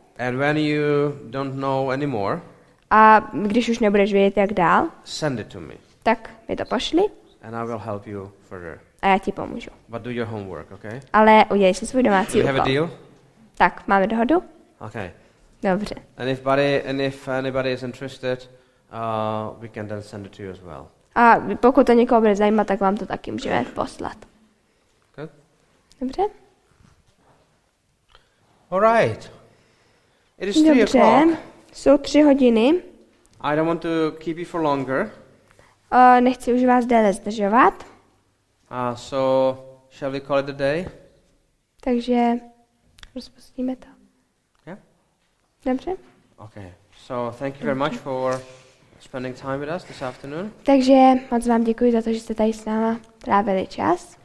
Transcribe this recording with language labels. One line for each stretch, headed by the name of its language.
English: And when you don't know anymore.
Czech: A když už nebudeš vědět, jak dál.
English: Send it to me.
Czech: Tak mi to pošli.
English: And I will help you further.
Czech: A já ti pomůžu.
English: But do your homework, okay?
Czech: Ale udělej si svůj domácí úkol.
English: You have a deal?
Czech: Tak, máme dohodu?
English: Okay.
Czech: Dobře.
English: And if buddy, and if anybody is interested, we can then send it to you as well.
Czech: A pokud to někoho bude zajímat, tak vám to taky můžeme poslat.
English: Good.
Czech: Dobře.
English: All right. It is 3 o'clock.
Czech: Dobře. Jsou 3 hodiny.
English: I don't want to keep you for longer.
Czech: Nechci už vás déle zdržovat.
English: So shall we call it a day?
Czech: Takže rozpustíme to.
English: Yeah.
Czech: Dobře.
English: Okay. So thank you very much for spending time with us this afternoon.
Czech: Takže moc vám děkuji za to, že jste tady s náma trávili čas.